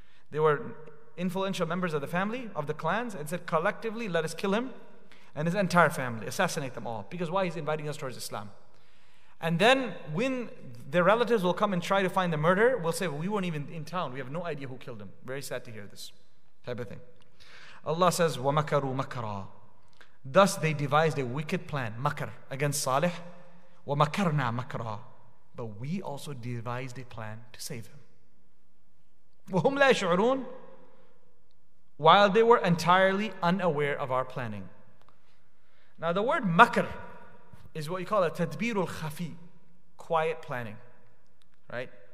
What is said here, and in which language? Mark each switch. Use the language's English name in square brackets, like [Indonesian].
[English] They were influential members of the family, of the clans, and said collectively, let us kill him and his entire family, assassinate them all. Because why he's inviting us towards Islam? And then when their relatives will come and try to find the murderer, we'll say, well, we weren't even in town. We have no idea who killed him. Very sad to hear this type of thing. Allah says, [Arabic] وَمَكَرُوا مَكَرًا. [English] Thus they devised a wicked plan, makar, against Salih. [Arabic] وَمَكَرْنَا مَكَرًا. [English] But we also devised a plan to save him. [Arabic] وَهُمْ لَا يَشْعُرُونَ. [English] While they were entirely unaware of our planning. Now the word makar is what you call a tadbirul khafi, quiet planning, right?